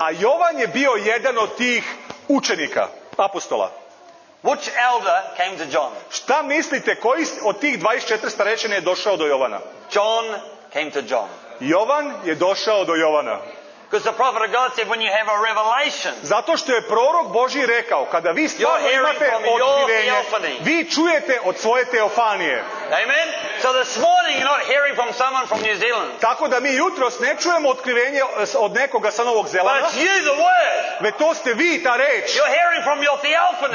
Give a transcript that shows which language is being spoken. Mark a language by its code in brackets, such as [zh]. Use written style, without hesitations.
[sr] A Jovan je bio jedan od tih učenika, apostola. [en] Which elder came to John? [sr] Šta mislite, koji od tih 24 starešina je došao do Jovana? [en] John came to John. [sr] Jovan je došao do Jovana. [en] Because the prophet of God said when you have a revelation. [sr] Zato što je prorok Božji rekao kada vi stvarno imate otkrivenje. Vi čujete od svoje teofanije. [en] Amen. So this morning you're not hearing from someone from New Zealand. [sr] Tako da mi jutros ne čujemo otkrivenje od nekoga sa Novog Zelanda. [en] But you the word. [sr] Ve to ste vi ta reč. [en] You're hearing from your theophany.